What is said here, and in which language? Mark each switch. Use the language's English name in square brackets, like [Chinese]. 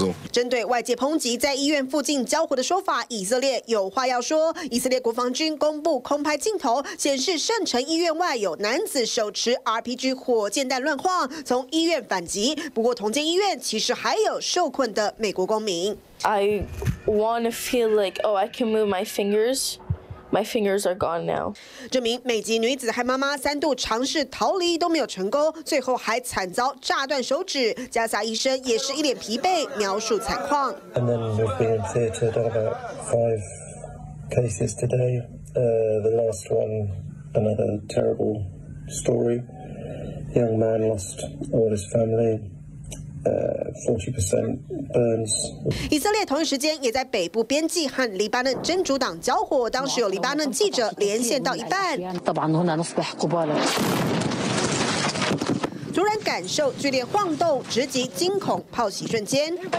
[Chinese] 针对外界抨击在医院附近交火的说法，以色列有话要说。以色列国防军公布空拍镜头，显示圣城医院外有男子手持 RPG 火箭弹乱晃，从医院反击。不过同间医院其实还有受困的美国公民。 [English] I want to feel like, oh, I can move my fingers. My fingers are gone now. [Chinese] 这名美籍女子和妈妈三度尝试逃离都没有成功，最后还惨遭炸断手指。加萨医生也是一脸疲惫，描述惨况。 [English] And then we've been theatered on about 5 cases today. The last one, another terrible story. Young man lost all his family. 40% burns. [Chinese] 以色列同一时间也在北部边境和黎巴嫩真主党交火，当时有黎巴嫩记者连线到一半。突然感受剧烈晃动，直击惊恐泡洗瞬间。